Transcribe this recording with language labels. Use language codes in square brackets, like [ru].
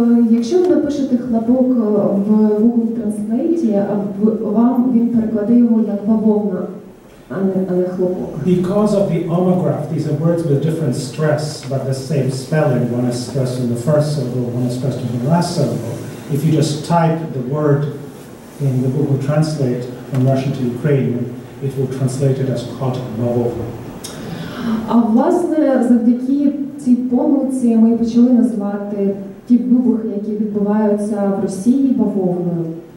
[uk] Якщо ви напишете хлопок в Google Translate, вам він перекладе його як бавовна, а не хлопок. [en] Because of the omograph, these are words with different stress, but the same spelling. One is stressed in the first syllable, one is stressed in the last syllable. If you just type the word in the Google Translate from Russian to Ukrainian, it will translate it as cotton, бавовна. [uk] А власне, завдяки цій помилці ми почали називати ті вибухи, які відбуваються в Росії, бавовною.